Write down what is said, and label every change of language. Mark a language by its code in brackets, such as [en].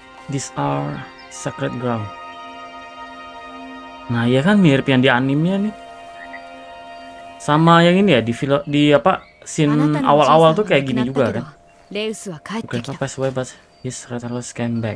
[en] These are sacred ground. [id] Nah, ya kan mirip yang di animnya nih. Sama yang ini ya di apa scene awal-awal tuh kayak gini juga kan. Bukan apa sesuai pas [en] his rattlers came back.